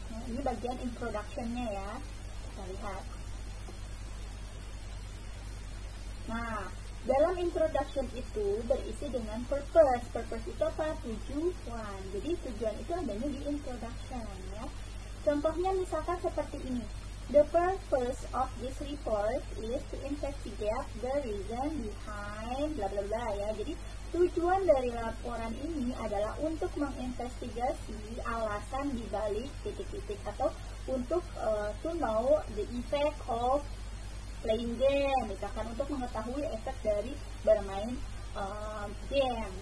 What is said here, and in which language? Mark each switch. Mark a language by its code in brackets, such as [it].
[id] Ini bagian introduction-nya ya, kita lihat. Nah, dalam introduction itu berisi dengan purpose. Purpose itu apa? Tujuan. Jadi tujuan itu adanya di introduction ya. Contohnya misalkan seperti ini. [en] The purpose of this report is to investigate the reason behind bla bla bla ya. [id] Jadi tujuan dari laporan ini adalah untuk menginvestigasi alasan di balik titik-titik, atau untuk [en] to know the effect of playing game, [id] misalkan untuk mengetahui efek dari bermain game.